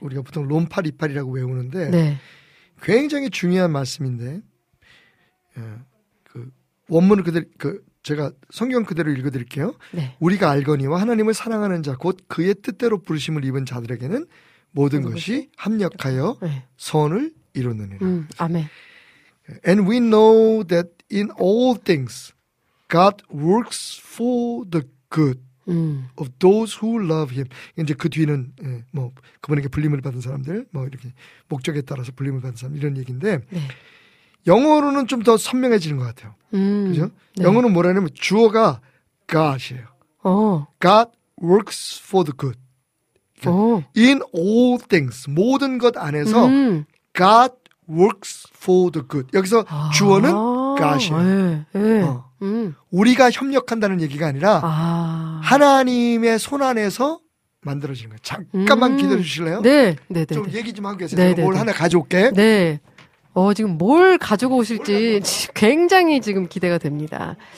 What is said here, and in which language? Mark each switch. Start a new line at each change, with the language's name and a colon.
Korean: 우리가 보통 롬팔 28이라고 외우는데 네. 굉장히 중요한 말씀인데 그 원문을 그대로 그 제가 성경 그대로 읽어드릴게요. 네. 우리가 알거니와 하나님을 사랑하는 자 곧 그의 뜻대로 부르심을 입은 자들에게는 모든 것이 합력하여 선을 이루느니라.
English: Amen. And we know that in all things God works for the good of those who love Him.
Korean: 이제 그 뒤는 뭐 그분에게 불림을 받은 사람들 뭐 이렇게 목적에 따라서 불림을 받은 사람 이런 얘기인데. 네. 영어로는 좀 더 선명해지는 것 같아요. 그죠? 네. 영어는 뭐라 하냐면 주어가 God이에요.
English: God works for the good.
Korean: 그러니까
English: in all things.
Korean: 모든 것 안에서
English: God works for the good.
Korean: 여기서 주어는 God이에요. 네. 네. 우리가 협력한다는 얘기가 아니라 하나님의 손 안에서 만들어지는 거예요. 잠깐만 기다려주실래요? 네. 네. 네. 좀 네. 얘기 좀 하고 계세요. 네. 제가 뭘 네. 하나 가져올게. 네. 지금 뭘 가지고 오실지 굉장히 지금 기대가 됩니다.